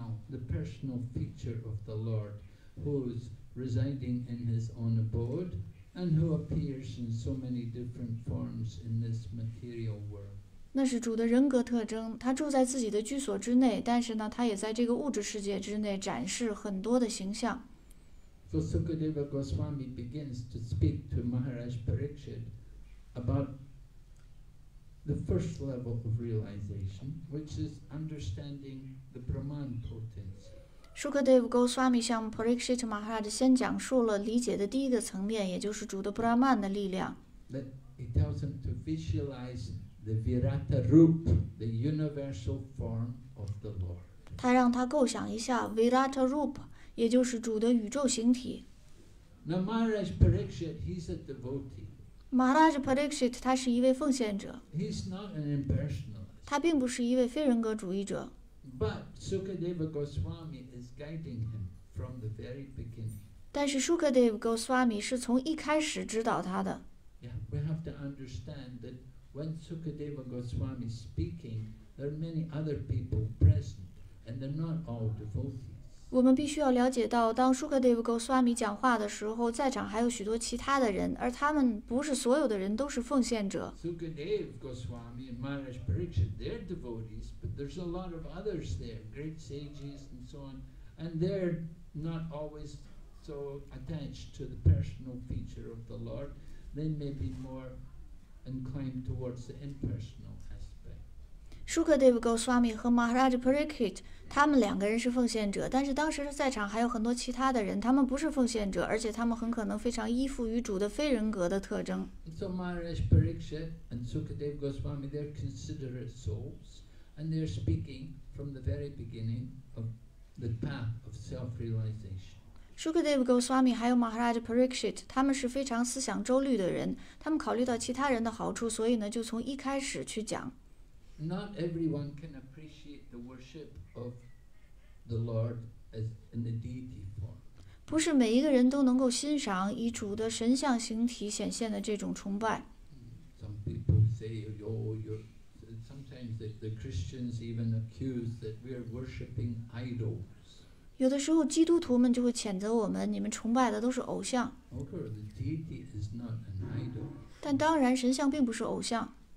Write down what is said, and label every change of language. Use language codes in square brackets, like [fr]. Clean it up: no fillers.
[en] The personal feature of the Lord, who is residing in his own abode, and who appears in so many different forms in this material world. [zh] 那是主的人格特征，他住在自己的居所之内，但是呢，他也在这个物质世界之内展示很多的形象。 [en] So Sukadeva Goswami begins to speak to Maharaj Parikshit about. The first level of realization, which is understanding the Brahman potency. [zh] Shukadeva Goswami 向 Parikshit Maharaj 先讲述了理解的第一个层面，也就是主的 Brahman 的力量。 [en] That he tells him to visualize the Virata Rup, the universal form of the Lord. [zh] 他让他构想一下 Virata Rup, 也就是主的宇宙形体。 [en] Now Maharaj Parikshit, he's a devotee. [zh] Maharaj Parikshit 他是一位奉献者 [en] He's not an impersonalist. [zh] 他并不是一位非人格主义者 [en] But Sukadeva Goswami is guiding him from the very beginning. [zh] 但是 Sukadeva Goswami 是从一开始指导他的 [en] Yeah, we have to understand that when Sukadeva Goswami is speaking, there are many other people present and they're not all devotees. [zh] 我们必须要了解到，当 Sukadeva Goswami 讲话的时候，在场还有许多其他的人，而他们不是所有的人都是奉献者。 [en] Sukadeva Goswami and Maharaj Parikshit, they're devotees, but there's a lot of others there, great sages and so on, and they're not always so attached to the personal feature of the Lord. They may be more inclined towards the impersonal aspect. [zh] Sukadeva Goswami 和 Maharaj Parikshit. 他们两个人是奉献者，但是当时在场还有很多其他的人，他们不是奉献者，而且他们很可能非常依附于主的非人格的特征。 [en] So Maharaj Parikshit and Sukadeva Goswami, they're considerate souls, and they're speaking from the very beginning of the path of self-realization. [zh] Sukadeva Goswami 还有 Maharaj Parikshit, 他们是非常思想周虑的人，他们考虑到其他人的好处，所以呢，就从一开始去讲。 [en] Not everyone can appreciate the worship of the Lord as in the deity form. [zh] 不是每一个人都能够欣赏以主的神像形体显现的这种崇拜。 [en] Some people say, "Oh, you're." Sometimes the Christians even accuse that we are worshiping idols. [zh] 有的时候，基督徒们就会谴责我们，你们崇拜的都是偶像。 [en] Okay, the deity is not an idol. [zh] 但当然，神像并不是偶像。